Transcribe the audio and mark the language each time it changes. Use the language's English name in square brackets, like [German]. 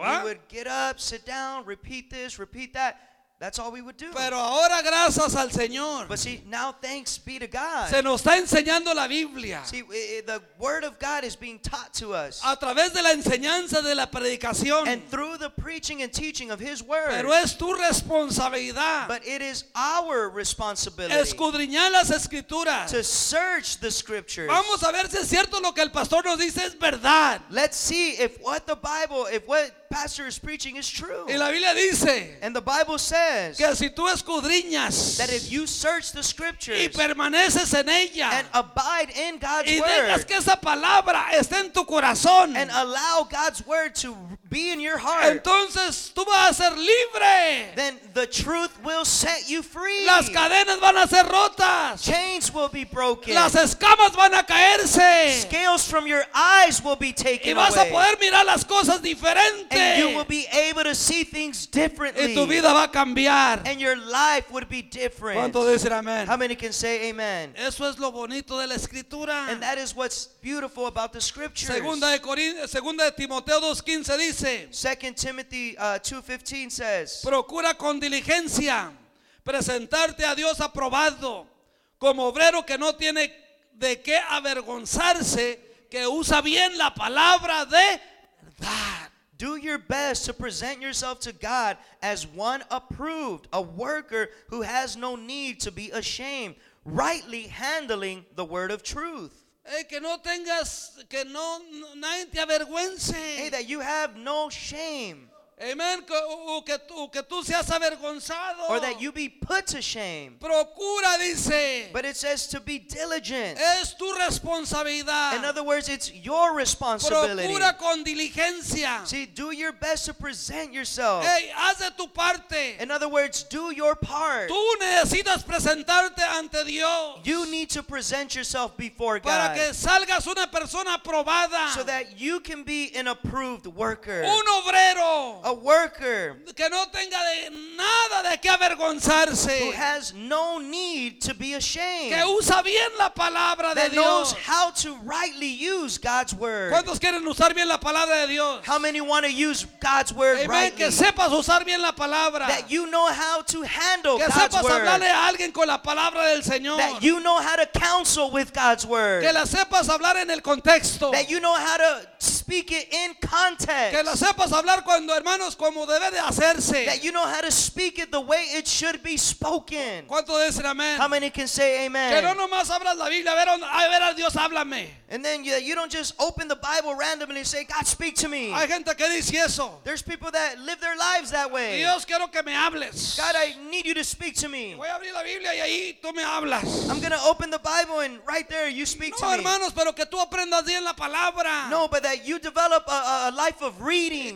[English] We would get up, sit down, repeat this, repeat that. That's all we would do. [Spanish] Pero ahora, gracias al Señor. [English] But see, now thanks be to God. [Spanish] Se nos está enseñando la Biblia. [English] See, the word of God is being taught to us. [Spanish] A través de la enseñanza de la predicación. [English] And through the preaching and teaching of his word. [Spanish] Pero es tu responsabilidad. [English] But it is our responsibility. [Spanish] Escudriñar las escrituras. [English] To search the scriptures. [Spanish] Vamos a ver si es cierto lo que el pastor nos dice es verdad. [English] Let's see if what the Bible, if what pastor is preaching is true. [Spanish] Y la Biblia dice, [English] and the Bible says, [Spanish] que si tú escudriñas, [English] that if you search the scriptures [Spanish] y permaneces en ella, [English] and abide in God's [Spanish] y [English] word, [Spanish] dejas que esa palabra esté en tu corazón, [English] and allow God's word to be in your heart, [Spanish] entonces tú vas a ser libre. [English] Then the truth will set you free. [Spanish] Las cadenas van a ser rotas. [English] Chains will be broken. [Spanish] Las escamas van a caerse. [English] Scales from your eyes will be taken [Spanish] y vas [English] away. [Spanish] A poder mirar las cosas diferente. [English] And you will be able to see things differently. [Spanish] Y tu vida va a cambiar. [English] And your life would be different. [Spanish] ¿Cuánto dicen amén? [English] How many can say amen? [Spanish] Eso es lo bonito de la escritura. [English] And that is what's beautiful about the scriptures. [Spanish] Segunda de Timoteo 2:15 dice. [English] 2 Timothy 2:15 says. [Spanish] Procura con diligencia presentarte a Dios aprobado como obrero que no tiene de qué avergonzarse, que usa bien la palabra de verdad. [English] Do your best to present yourself to God as one approved, a worker who has no need to be ashamed, rightly handling the word of truth. [Spanish] Hey, que no tengas, que no, nadie te avergüence. [English] Hey, that you have no shame. [Spanish] Amen. O que tú seas avergonzado. [English] Or that you be put to shame. [Spanish] Procura, dice. [English] But it says to be diligent. [Spanish] Es tu responsabilidad. [English] In other words, it's your responsibility. [Spanish] Procura con diligencia. [English] See, do your best to present yourself. [Spanish] Hey, haz de tu parte. [English] In other words, do your part. [Spanish] Tú necesitas presentarte ante Dios. [English] You need to present yourself before [Spanish] para Para que salgas una persona aprobada. [English] So that you can be an approved worker. [Spanish] Un obrero. [English] A worker [Spanish] que no tenga de nada de qué avergonzarse, [English] who has no need to be ashamed, [Spanish] que usa bien la palabra [English] that [Spanish] de Dios, [English] knows how to rightly use God's word. [Spanish] ¿Cuántos quieren usar bien la palabra de Dios? [English] How many want to use God's word? [Spanish] Amen. [English] Rightly, [Spanish] que sepas usar bien la palabra, [English] that you know how to handle [Spanish] que [English] God's [Spanish] sepas [English] word, [Spanish] hablarle a alguien con la palabra del Señor, [English] that you know how to counsel with God's word, [Spanish] que la sepas hablar en el contexto, [English] that you know how to speak it in context, [Spanish] que la sepas hablar cuando hermanos como debe de hacerse, [English] that you know how to speak it the way it should be spoken. [Spanish] ¿Cuánto dicen amén? [English] How many can say amen? [Spanish] Que no nomás abras la Biblia a ver a Dios háblame. [English] And then you don't just open the Bible randomly and say, God, speak to me. [Spanish] Hay gente que dice eso. [English] There's people that live their lives that way. [Spanish] Dios, quiero que me hables. [English] God, I need you to speak to me. [Spanish] Voy a abrir la Biblia y ahí tú me hablas. [English] I'm going to open the Bible and right there you speak [Spanish] no, [English] to [Spanish] hermanos, [English] me. [Spanish] Pero que tú aprendas bien la palabra. [English] No, but that you develop a life of reading.